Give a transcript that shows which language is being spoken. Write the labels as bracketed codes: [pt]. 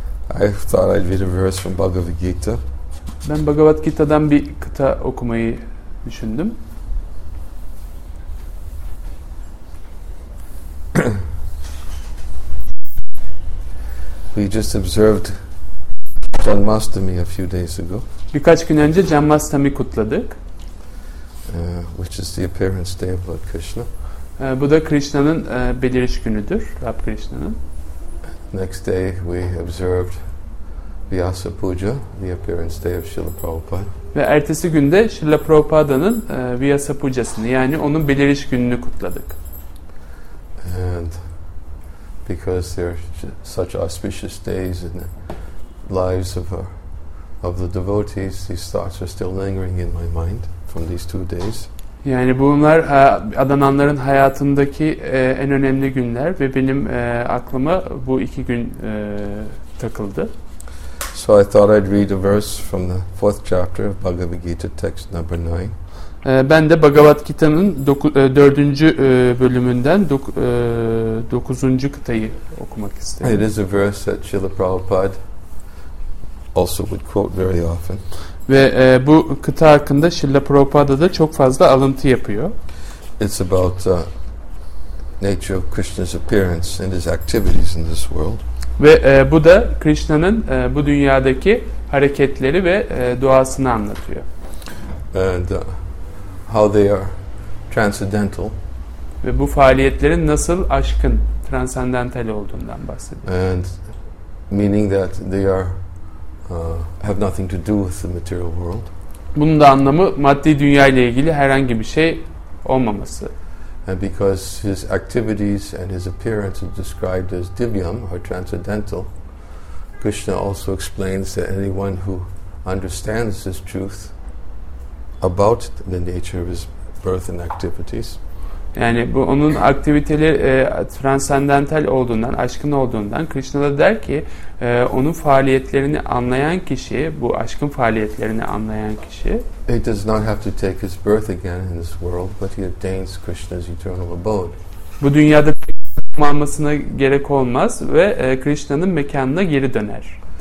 [en] Thought I'd read a verse from Bhagavad Gita. [tr] Ben Bhagavad Gita'dan bir kıta okumayı düşündüm. [en] We just observed Janmashtami a few days ago. [tr] Birkaç gün önce Janmashtami kutladık. [en] Which is the appearance day of Lord Krishna. [tr] Bu da Krishna'nın beliriş günüdür, Rab Krishna'nın. [en] Next day we observed Vyasa Puja, the appearance day of Srila Prabhupada. [tr] Ve ertesi günde Srila Prabhupada'nın Vyasa Puja'sını, yani onun beliriş gününü kutladık. [en] And because there are such auspicious days in the lives of the devotees, these thoughts are still lingering in my mind from these two days. [tr] Yani bunlar adananların hayatındaki en önemli günler ve benim aklıma bu iki gün takıldı. [en] So I thought I'd read a verse from the fourth chapter of Bhagavad Gita, text number 9. [tr] Ben de Bhagavad Gita'nın 4. bölümünden 9. kıtayı okumak istedim. [en] It is a verse that Srila Prabhupada also would quote very often. [tr] Ve bu kıta hakkında Srila Prabhupada da çok fazla alıntı yapıyor. [en] It's about the nature of Krishna's appearance and his activities in this world. [tr] Ve bu da Krishna'nın bu dünyadaki hareketleri ve duasını anlatıyor. [en] And how they are transcendental. [tr] Ve bu faaliyetlerin nasıl aşkın, transcendental olduğundan bahsediyor. [en] And meaning that they are have nothing to do with the material world. [tr] Bunun da anlamı maddi dünya ile ilgili herhangi bir şey olmaması. [en] And because his activities and his appearance are described as divyam or transcendental, Krishna also explains that anyone who understands this truth about the nature of his birth and activities. [tr] Yani bu onun aktiviteleri transcendental olduğundan, aşkın olduğundan Krishna da der ki onun faaliyetlerini anlayan kişi, bu aşkın faaliyetlerini anlayan kişi, [en] he does not have to take his birth again in this world, but he attains Krishna's eternal abode. [tr] Bu dünyada doğum almasına gerek olmaz ve Krishna'nın mekanına geri döner.